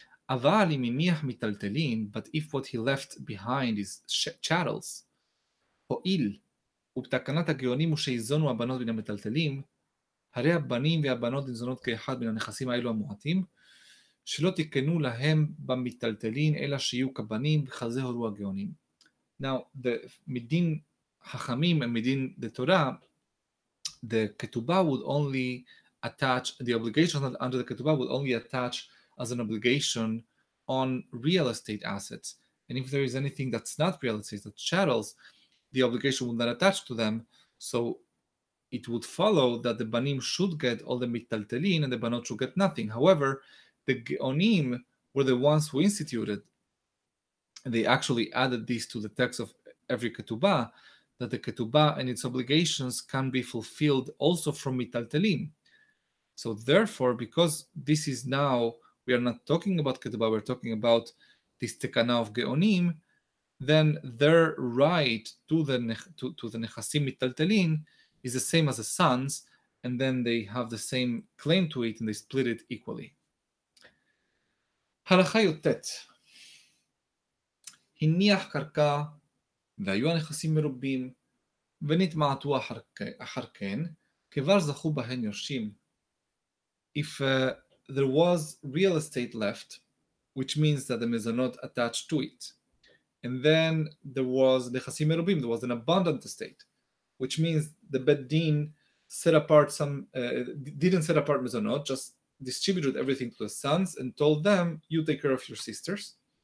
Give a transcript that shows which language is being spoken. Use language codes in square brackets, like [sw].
[he] אבל אם הניח מטלטלין, [en] but if what he left behind is chattels, [he] הועיל, ובתקנת הגאונים הוא שאיזונו הבנות בין המטלטלים, הרי הבנים והבנות נזונות כאחד בין הנכסים האלו המועטים, שלא תקנו להם במטלטלין, אלא שיהיו כבנים, וכזה הורו הגאונים. [en] Now, the midin hachamim and midin the Torah, the ketubah would only attach, the obligation under the ketubah would only attach as an obligation on real estate assets. And if there is anything that's not real estate, that's chattels, the obligation would not attach to them. So it would follow that the banim should get all the mitaltelin and the banot should get nothing. However, the geonim were the ones who instituted, and they actually added this to the text of every ketubah, that the ketubah and its obligations can be fulfilled also from mitaltelin. So therefore, because this is now, we are not talking about ketubah, we're talking about this tekana of geonim, then their right to the nechasim mitaltelin is the same as the sons, and then they have the same claim to it, and they split it equally. [he] Halacha yotet. הניח קרקע והיו הנכסים מרובים ונתמעטו אחר כן, כבר זכו בהן יורשים. [en] If there was real estate left, which means that the mezonot attached to it, and then there was נכסים מרובים, there was an abundant estate, which means the bet din set apart didn't set apart mezonot, just distributed everything to the sons and told them, you take care of your sisters.